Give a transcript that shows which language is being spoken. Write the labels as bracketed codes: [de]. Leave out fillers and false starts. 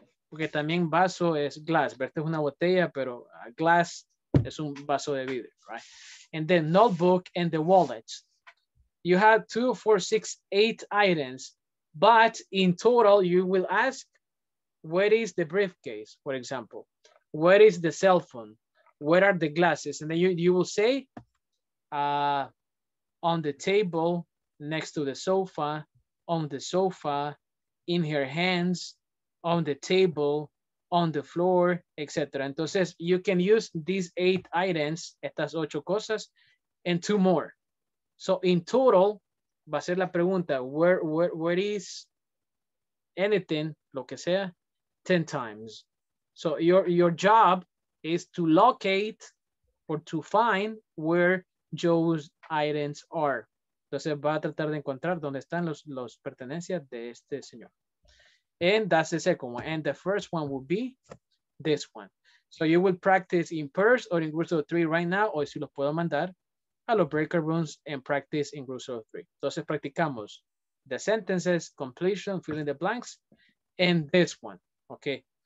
[es] Porque también vaso es glass, verte es una botella, pero glass es un vaso de vidrio, [en] right? And then notebook and the wallets. You have 2, 4, 6, 8 items, but in total, you will ask, where is the briefcase, for example? Where is the cell phone? Where are the glasses? And then you will say, on the table, next to the sofa, on the sofa, in her hands, on the table, on the floor, etc. [es] Entonces, [en] you can use these 8 items, [es] estas 8 cosas, [en] and 2 more. So in total, [es] va a ser la pregunta, [en] where is anything, [es] lo que sea, [en] 10 times. So your job is to locate or to find where Joe's items are. [es] Entonces va a tratar de encontrar dónde están los pertenencias de este señor. [en] And that's the second one. And the first one will be this one. So you will practice in pairs or in groups of 3 right now, [es] o si los puedo mandar a los [en] breaker rooms and practice in groups of 3. [es] Entonces practicamos [en] the sentences, completion, filling the blanks, and this one. Okay.